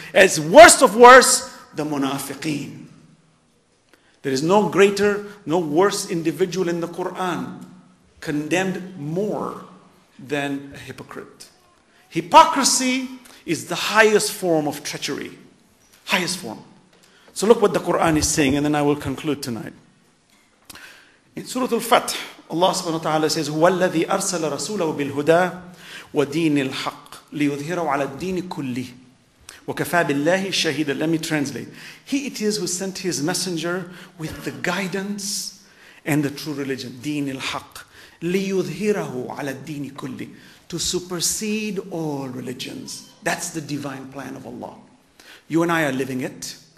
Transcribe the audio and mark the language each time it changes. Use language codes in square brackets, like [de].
[en] As worst of worst, the munafiqeen. There is no greater, no worse individual in the Quran condemned more than a hypocrite. Hypocrisy is the highest form of treachery. Highest form. So look what the Quran is saying, and then I will conclude tonight. In Surah Al-Fath, Allah subhanahu wa ta'ala says, [ar] وَالَّذِي أَرْسَلَ رَسُولَهُ بِالْهُدَى وَدِينِ الْحَقِّ لِيُظْهِرَهُ عَلَى الدِّينِ كُلِّهِ وَكَفَى بِاللَّهِ شَهِدًا. [en] Let me translate. He it is who sent his messenger with the guidance and the true religion, [ar] دِينِ الْحَقِّ لِيُظْهِرَهُ عَلَى الدِّينِ كُلِّهِ, [en] to supersede all religions. That's the divine plan of Allah. You and I are living it.